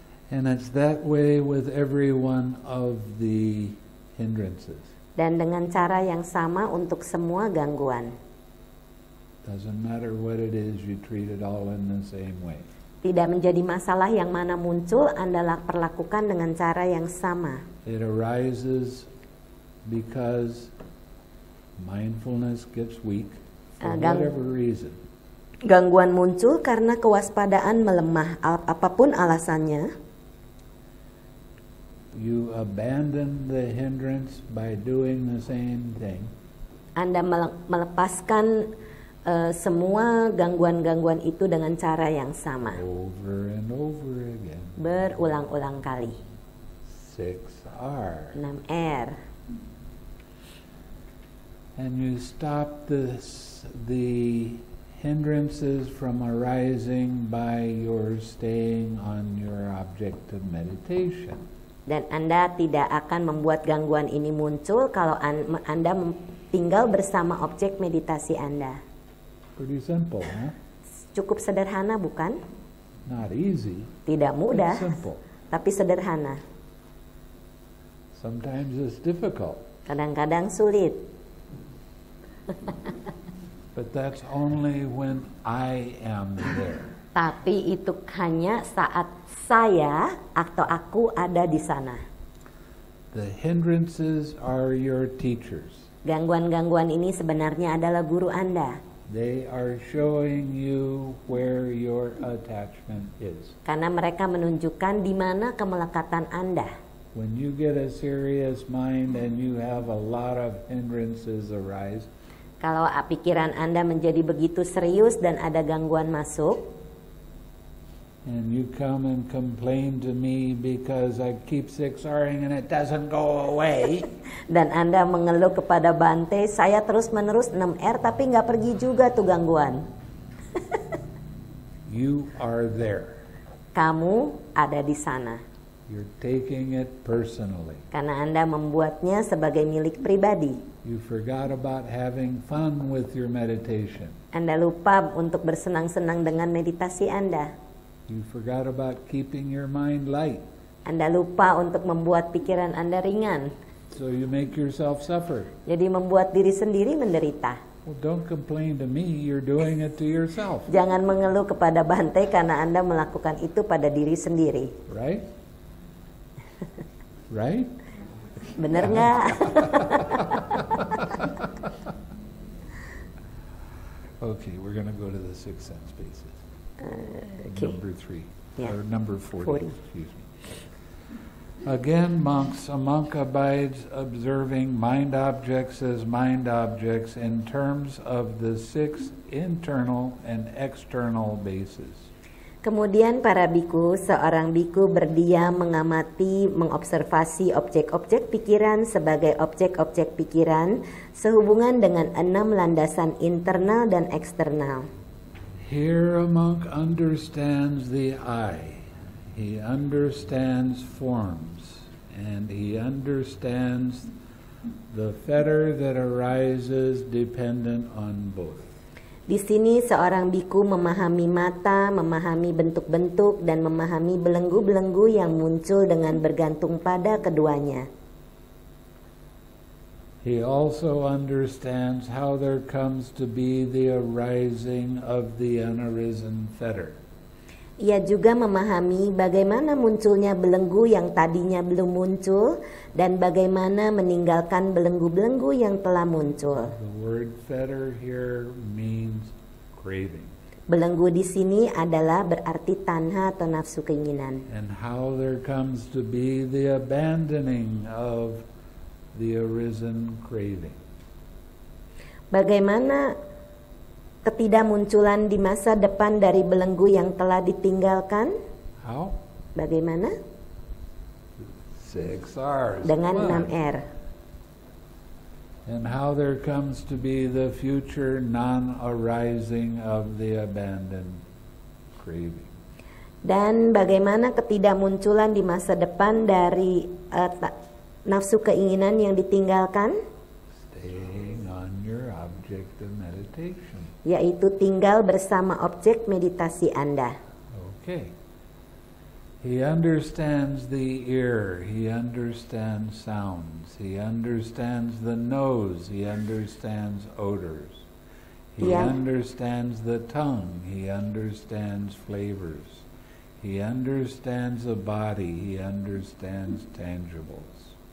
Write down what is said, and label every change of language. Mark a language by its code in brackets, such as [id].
[en] And it's that way with every one of the hindrances. [id] Dan dengan cara yang sama untuk semua gangguan. [en] Doesn't matter what it is, you treat it all in the same way. [id] Tidak menjadi masalah yang mana muncul, andalah perlakukan dengan cara yang sama. [en] It arises because mindfulness gets weak for whatever reason. [id] Gangguan muncul karena kewaspadaan melemah, apapun alasannya. [en] You abandon the hindrance by doing the same thing. [id] Anda melepaskan semua gangguan-gangguan itu dengan cara yang sama. [en] Over and over again. [id] Berulang-ulang kali. 6R. 6R. [en] And you stop the hindrances from arising by your staying on your object of meditation. [id] Dan Anda tidak akan membuat gangguan ini muncul kalau Anda tinggal bersama objek meditasi Anda. [en] Pretty simple, huh? [id] Cukup sederhana, bukan? [en] Not easy. [id] Tidak mudah. Tapi sederhana. [en] Sometimes it's difficult. [id] Kadang-kadang sulit. [en] But that's only when I am there. [id] Tapi itu hanya saat saya atau aku ada di sana. [en] The hindrances are your teachers. [id] Gangguan-gangguan ini sebenarnya adalah guru Anda. [en] They are showing you where your attachment is. [id] Karena mereka menunjukkan di mana kemelekatan Anda. [en] When you get a serious mind and you have a lot of hindrances arise. [id] Kalau pikiran Anda menjadi begitu serius dan ada gangguan masuk. [en] And you come and complain to me because I keep sixaring and it doesn't go away. [id] Dan Anda mengeluh kepada Bante, saya terus-menerus 6R tapi enggak pergi juga tuh gangguan. [en] You are there. [id] Kamu ada di sana. [en] You're taking it personally. [id] Karena Anda membuatnya sebagai milik pribadi. [en] You forgot about having fun with your meditation. [id] Anda lupa untuk bersenang-senang dengan meditasi Anda. [en] You forgot about keeping your mind light. [id] Anda lupa untuk membuat pikiran Anda ringan. [en] So you make yourself suffer. [id] Jadi membuat diri sendiri menderita. [en] Well, don't complain to me, you're doing it to yourself. [id] Jangan mengeluh kepada Bante karena Anda melakukan itu pada diri sendiri. [en] Right? Right? [id] Benar enggak? [en] Okay, we're going to go to the sixth sense basis. Okay. Number three, yeah. Or number 40, excuse me. Again, monks, a monk abides observing mind objects as mind objects in terms of the six internal and external bases. [id] Kemudian para bhikkhu, seorang bhikkhu berdiam mengamati, mengobservasi objek-objek pikiran sebagai objek-objek pikiran sehubungan dengan 6 landasan internal dan eksternal. [en] Here a monk understands the eye, he understands forms, and he understands the fetter that arises dependent on both. [id] Di sini seorang bhikkhu memahami mata, memahami bentuk-bentuk, dan memahami belenggu-belenggu yang muncul dengan bergantung pada keduanya. [en] He also understands how there comes to be the arising of the unarisen fetter. [id] Ia juga memahami bagaimana munculnya belenggu yang tadinya belum muncul dan bagaimana meninggalkan belenggu-belenggu yang telah muncul. [en] The word fetter here means craving. [id] Belenggu di sini adalah berarti tanha atau nafsu keinginan. [en] And how there comes to be the abandoning of the arisen craving. [id] Bagaimana ketidakmunculan di masa depan dari belenggu yang telah ditinggalkan? [en] How? [id] Bagaimana? [en] 6R's. [id] Dengan 6R. [en] And how there comes to be the future non-arising of the abandoned craving. [id] Dan bagaimana ketidakmunculan di masa depan dari nafsu keinginan yang ditinggalkan, [en] staying on your object of meditation, [id] yaitu tinggal bersama objek meditasi Anda. [en] Okay. He understands the ear, he understands sounds, he understands the nose, he understands odors. He understands the tongue, he understands flavors. He understands the body, he understands tangibles.